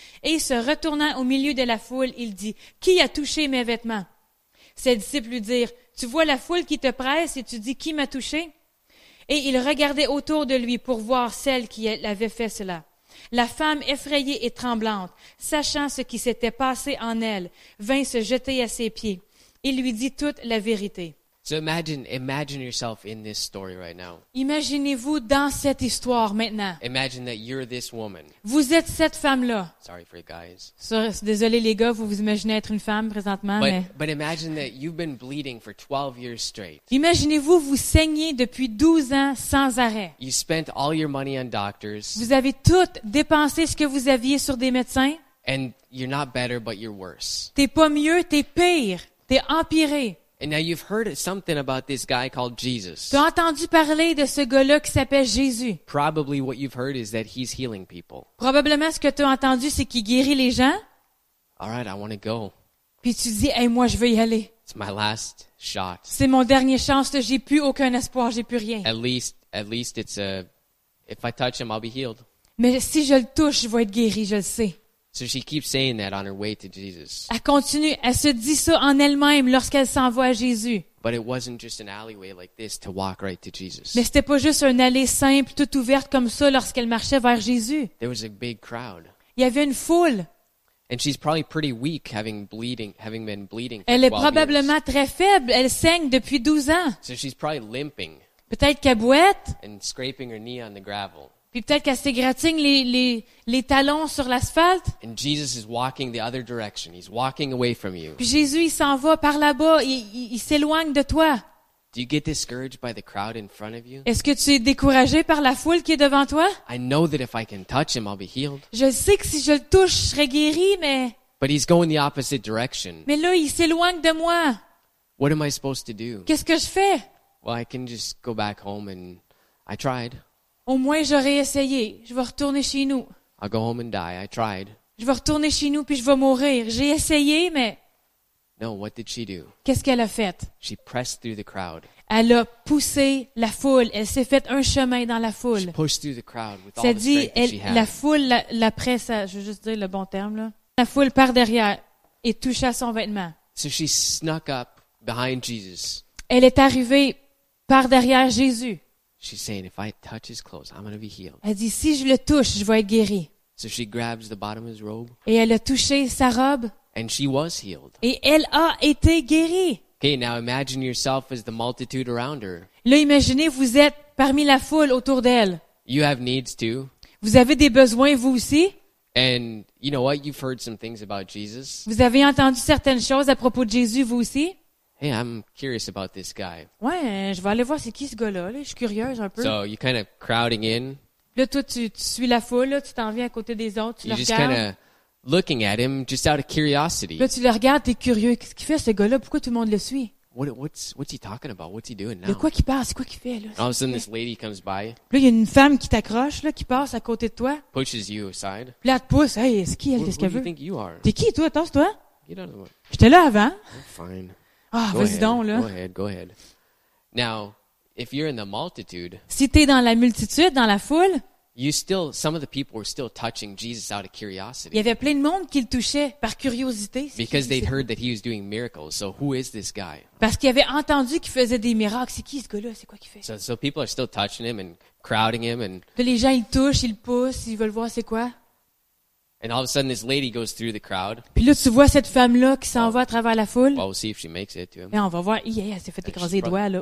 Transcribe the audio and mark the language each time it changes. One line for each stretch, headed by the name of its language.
French: Et se retournant au milieu de la foule, il dit, « Qui a touché mes vêtements? » Ses disciples lui dirent, « Tu vois la foule qui te presse et tu dis, qui m'a touché? » Et il regardait autour de lui pour voir celle qui avait fait cela. La femme, effrayée et tremblante, sachant ce qui s'était passé en elle, vint se jeter à ses pieds. Il lui dit toute la vérité.
English: So imagine yourself in this story right now.
French: Imaginez-vous dans cette histoire maintenant.
English: Imagine that you're this woman.
French: Vous êtes cette femme-là.
English: Sorry for you guys.
French: Désolé les gars, vous vous imaginez être une femme présentement.
English: But imagine that you've been bleeding for 12 years straight.
French: Imaginez-vous, vous saignez depuis 12 ans sans arrêt.
English: You spent all your money on doctors.
French: Vous avez tout dépensé ce que vous aviez sur des médecins.
English: And you're not better, but you're worse.
French: T'es pas mieux, t'es pire. T'es empiré.
English: And now you've heard something about this guy called Jesus.
French: Tu as entendu parler de ce gars-là qui s'appelle Jésus.
English: Probably what you've heard is that he's healing people.
French: Probablement ce que tu as entendu c'est qu'il guérit les gens.
English: All right, I want to go.
French: Puis tu dis, hey, moi je veux y aller.
English: It's my last shot.
French: C'est mon dernier chance, j'ai plus aucun espoir, j'ai plus rien.
English: At least it's a if I touch him I'll be healed.
French: Mais si je le touche, je vais être guéri, je le sais.
English: So she keeps saying that on her way to Jesus.
French: Elle continue, elle se dit ça en elle-même lorsqu'elle s'en va à Jésus.
English: But it wasn't just an alleyway like this to walk right to Jesus.
French: Mais c'était pas juste une allée simple, toute ouverte comme ça lorsqu'elle marchait vers Jésus.
English: There was a big crowd.
French: Il y avait une foule.
English: And she's probably pretty weak having been bleeding.
French: Elle est probablement très faible, elle saigne depuis 12 ans.
English: So she's probably limping.
French: Peut-être qu'elle boite.
English: And scraping her knee on the gravel.
French: Puis peut-être qu'elle s'égratigne les talons sur l'asphalte.
English: And Jesus is walking the other direction. He's walking away from you.
French: Puis Jésus, il s'en va par là-bas. Il s'éloigne de toi.
English: Do you get discouraged by the crowd in front of you?
French: Est-ce que tu es découragé par la foule qui est devant toi?
English: I know that if I can touch him, I'll be healed.
French: Je sais que si je le touche, je serai guéri, mais...
English: But he's going the opposite direction.
French: Mais là, il s'éloigne de moi.
English: What am I supposed to do?
French: Qu'est-ce que je fais?
English: Well, I can just go back home and I tried.
French: Au moins, j'aurais essayé. Je vais retourner chez nous.
English: I'll go home and die. I tried.
French: Je vais retourner chez nous, puis je vais mourir. J'ai essayé, mais...
English: No, what did she do?
French: Qu'est-ce qu'elle a fait?
English: She pressed through the crowd.
French: Elle a poussé la foule. Elle s'est fait un chemin dans la foule.
English: She pushed through the crowd with
French: ça
English: all
French: dit,
English: the strength
French: elle,
English: that she had.
French: La foule la presse à, je veux juste dire le bon terme, là. La foule par derrière et toucha son vêtement.
English: So she snuck up behind Jesus.
French: Elle est arrivée par derrière Jésus.
English: She's saying, if I touch his clothes, I'm going to be healed.
French: Elle dit, si je le touche, je vais être guérie.
English: So she grabs the bottom of his robe.
French: Et elle a touché sa robe.
English: And she was healed.
French: Et elle a été guérie.
English: Okay, now imagine yourself as the multitude around her.
French: Là, imaginez, vous êtes parmi la foule autour d'elle.
English: You have needs too.
French: Vous avez des besoins, vous aussi.
English: And you know what? You've heard some things about Jesus.
French: Vous avez entendu certaines choses à propos de Jésus, vous aussi.
English: hey, I'm curious about this guy.
French: Ouais, je vais aller voir c'est qui ce gars-là. Là. Je suis curieuse un peu.
English: So you're kind of crowding in.
French: Là, toi, tu suis la foule, là, tu t'en viens à côté des autres, tu
English: you're
French: le regardes.
English: You're just kind of looking at him, just out of curiosity.
French: Là, tu le regardes, t'es curieux. Qu'est-ce qu'il fait ce gars-là? Pourquoi tout le monde le suit?
English: What's he talking about? What's he doing now?
French: De quoi qu'il parle? C'est quoi qu'il fait là?
English: All of a sudden, this lady comes by.
French: Là, il y a une femme qui t'accroche, là, qui passe à côté de toi.
English: Pushes you aside.
French: Puis là, elle te pousse. Hey, c'est qui elle? Qu'est-ce qu'elle veut?
English: Who do you think you are?
French: T'es qui toi? Tasse-toi.
English: Get out of the way.
French: J'étais là avant.
English: Oh, fine.
French: Ah, vas-y donc là.
English: Go ahead. Now, if you're in the multitude,
French: si t'es dans la multitude, dans la foule,
English: you still, some of the people were still touching Jesus out of curiosity.
French: Il y avait plein de monde qui le touchait par curiosité.
English: Because they'd heard that he was doing miracles. So who is this guy?
French: Parce qu'ils avaient entendu qu'il faisait des miracles. C'est qui ce gars-là? C'est quoi qu'il fait?
English: So people are still touching him and crowding him and.
French: Puis les gens ils touchent, ils poussent, ils veulent voir c'est quoi?
English: And all of a sudden, this lady goes through the crowd.
French: Puis là, tu vois cette femme-là qui s'en va à travers la foule.
English: Well, we'll see if she makes it to him.
French: Et on va voir. Yeah, elle s'est fait écraser les doigts, là.